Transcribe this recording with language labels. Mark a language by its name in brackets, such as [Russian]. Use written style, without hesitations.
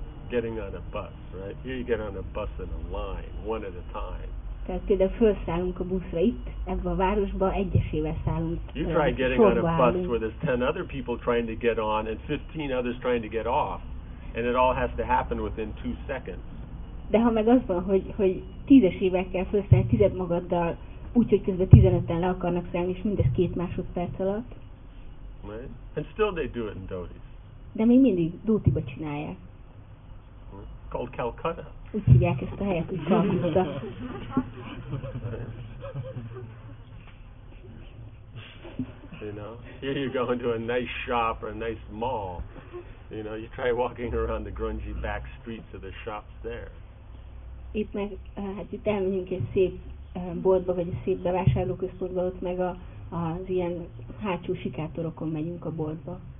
[English] Getting on a bus, right? Here you get on a bus in a line, one at a time. [Hungarian] Tehát például felszállunk a buszra itt, ebben a városban egyesével szállunk. [English] You try getting on a bus where there's 10 other people trying to get on and 15 others trying to get off, and it all has to happen within 2 seconds. [Hungarian] De ha meg az van, hogy tízesével felszállni tized magaddal, úgyhogy közben 15-en le akarnak szállni, és mindez 2 másodperc alatt. [English] Right? And still they do it in dhotis. [Hungarian] De még mindig dhotiba csinálják. [English] Called Calcutta. [Hungarian] Úgy hívják ezt a helyet, hogy Calcutta. [English] You know, here you go into a nice shop or a nice mall. You know, you try walking around the grungy back streets of the shops there. [Hungarian] Itt meg, hát itt elmegyünk egy szép boltba, vagy egy szép bevásárlóközpontba, ott meg az ilyen hátsó sikátorokon megyünk a boltba.